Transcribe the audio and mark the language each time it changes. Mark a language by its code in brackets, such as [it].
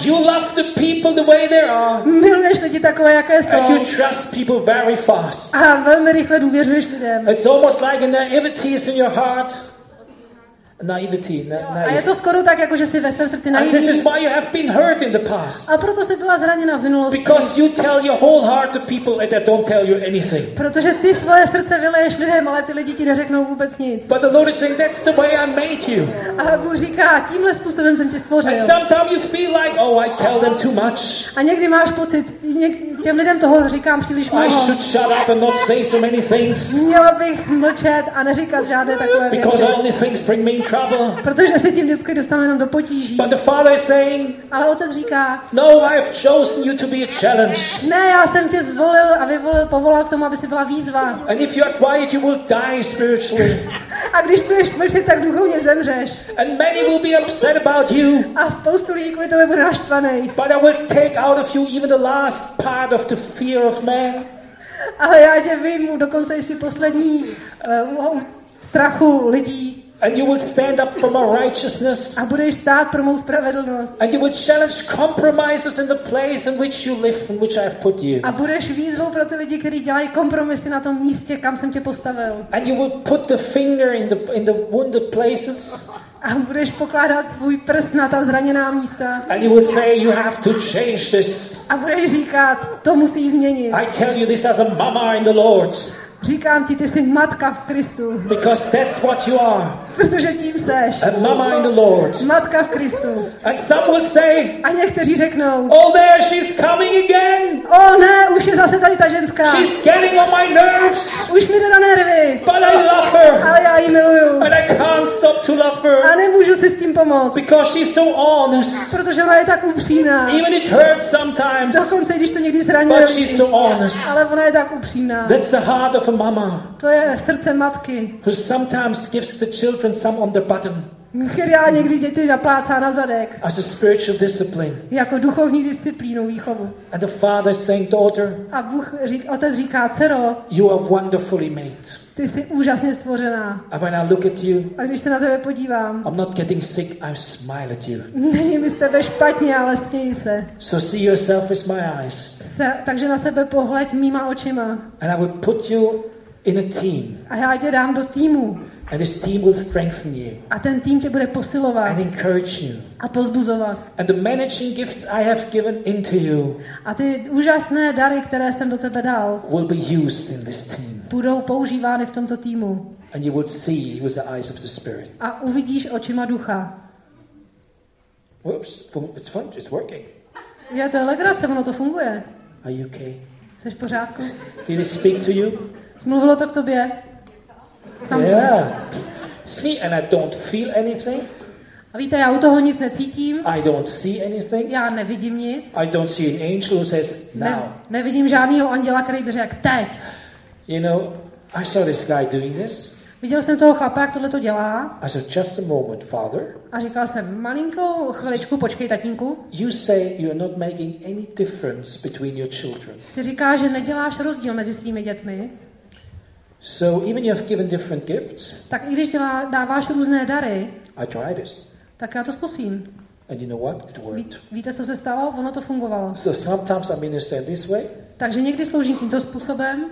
[en] You love the people the way they are. [cs] Miluješ lidi takové, jaké jsou. [en] And you trust people very fast. [cs] A velmi rychle důvěřuješ lidem. [en] It's almost like a naivety is in your heart. Naivety, [cs] A je to skoro tak, jako že jsi ve svém srdci naivní. [en] This is why you have been hurt in the past. [cs] A proto jsi byla zraněna v minulosti. [en] Because you tell your whole heart to people and they don't tell you anything. [cs] Protože ty svoje srdce vyleješ lidem, ale ty lidi ti neřeknou vůbec nic. [en] But the Lord is saying, that's the way I made you. [cs] A Bůh říká, tímhle způsobem jsem tě stvořil. [en] And sometimes you feel like, oh, I tell them too much. [cs] A někdy máš pocit, těm lidem toho říkám příliš mnoho. [en] I should shut up and not say so many things. [cs] Měla bych mlčet a neříkat žádné takové věci. [en] Because all these things bring me trouble. [cs] Protože se tím vždycky dostanu jenom do potíží. [en] But the father is saying, [cs] ale otec říká, [en] no, I have chosen you to be a challenge. [cs] Ne, já jsem tě zvolil a vyvolil, povolal k tomu, aby jsi byla výzva. [en] And if you are quiet, you will die spiritually. [cs] A když budeš mlčet, tak duchovně zemřeš. [en] And many will be upset about you. [cs] A spoustu lidí kvůli tomu bude naštvaný. [en] But I will take out of you even the last part of the fear of man. [cs] Ale já tě vyjmu dokonce i si poslední strachu lidí. [en] And you will stand up for my righteousness. [cs] A budeš stát pro mou spravedlnost. [en] And you will challenge compromises in the place in which you live, in which I have put you. [cs] A budeš výzvou pro ty lidi, kteří dělají kompromisy na tom místě, kam jsem tě postavil. [en] And you will put the finger in the wounded places. [cs] A budeš pokládat svůj prst na ta zraněná místa. [en] And you will say, you have to change this. [cs] A budeš říkat, to musíš změnit. [en] I tell you this as a mama in the Lord. [cs] Říkám ti, ty jsi matka v Kristu. [en] Because that's what you are. [cs] Protože tím seš. [en] A mama in the Lord. [cs] Matka v Kristu. [en] And some will say, [cs] a někteří řeknou, [en] oh, there, she's coming again. [cs] O ne, už je zase tady ta ženská. [en] She's getting on my nerves. [cs] Už mi jde na nervy. [en] But I love her. [cs] Ale já ji miluju. [en] And I can't stop to love her. [cs] A nemůžu si s tím pomoct. [en] Because she's so honest. [cs] Protože ona je tak upřímná. [en] Even it hurts sometimes. [cs] Dokonce, když to někdy zraňuje. [en] But she's so honest. [cs] Ale ona je tak upřímná. [en] That's the heart of a mama. [cs] To je srdce matky. [en] Who sometimes gives the children some on their bottom. [cs] Který já někdy děti naplácá na zadek. [en] As a spiritual discipline. [cs] Jako duchovní disciplínu, výchovu. [en] And the father saying, daughter. [cs] A Bůh otec říká, dcero. [en] You are wonderfully made. [cs] Ty jsi úžasně stvořená. [en] And when I look at you. [cs] A když se na tebe podívám. [en] I'm not getting sick, I smile at you. [cs] Není mi s tebe špatně, ale směji se. [en] So see yourself with my eyes. [cs] Takže na sebe pohleď mýma očima. [en] And I will put you in a team. [cs] A já tě dám do týmu. [en] And this team will strengthen you. [cs] A ten tým tě bude posilovat. [en] And encourage you. [cs] A pozbuzovat. [en] And the managing gifts I have given into you. [cs] A ty úžasné dary, které jsem do tebe dal. [en] Will be used in this team. [cs] Budou používány v tomto týmu. [en] And you will see with the eyes of the Spirit. [cs] A uvidíš očima ducha. [en] Whoops, it's fun, it's working. [cs] Je to legrace, ono to funguje. [en] Are you okay? [cs] Jsi v pořádku? [en] Did it speak to you? [cs] Mluvilo to k tobě? Samý. [en] Yeah. See, and I don't feel anything. [cs] A víte, já u toho nic necítím. [en] I don't see anything. [cs] Já nevidím nic. [en] I don't see an angel who says now. [cs] Nevidím žádného anděla, který by řekl teď. [en] You know, I saw this guy doing this. [cs] Viděl jsem toho chlapa, jak tohle to dělá. [en] I said, just a moment, father. [cs] A říkal jsem, malinkou chviličku, počkej, tatínku. [en] You say you're not making any difference between your children. [cs] Ty říkáš, že neděláš rozdíl mezi svými dětmi. [en] So even you have given different gifts. [cs] Tak i když dáváš různé dary. [en] I tried this. [cs] Tak já to zkusím. [en] And you know what? It worked. [cs] Víte, co se stalo? Ono to fungovalo. [en] So sometimes I minister in this way. [cs] Takže někdy sloužím tímto způsobem.